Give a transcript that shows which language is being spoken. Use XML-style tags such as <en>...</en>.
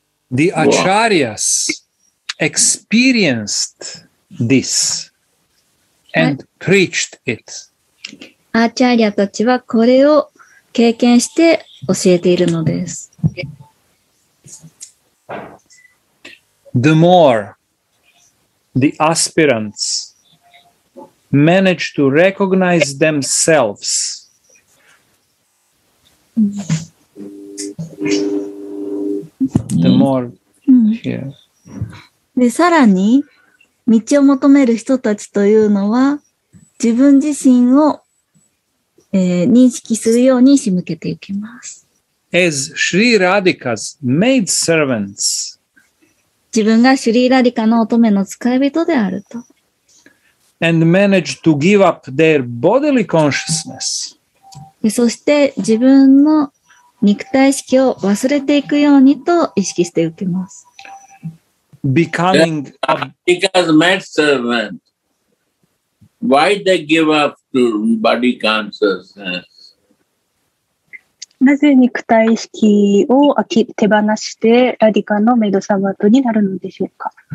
<en>The Acharyas experienced this and preached it.</en> <ja>アーチャリアたちはこれを経験して教えているのです。</ja> <en>The more the aspirants manage to recognize themselves, the more here.</en> <ja>で、さらに道を求める人たちというのは自分自身を、認識するように仕向けていきます。</ja> <en>As Sri Radhika's maid servants.</en> <ja>自分がシュリーラディカの乙女の使い人であると。</ja> <en>And manage to give up their bodily consciousness.</en> <ja>そして自分の肉体意識を忘れていくようにと意識しておきます。</ja> <en>Becoming a Radhika's maid servant. Why they give up to body consciousness?</en> <ja>なぜ肉体意識を手放してラディカのメイドサバートになるのでしょうか。</ja>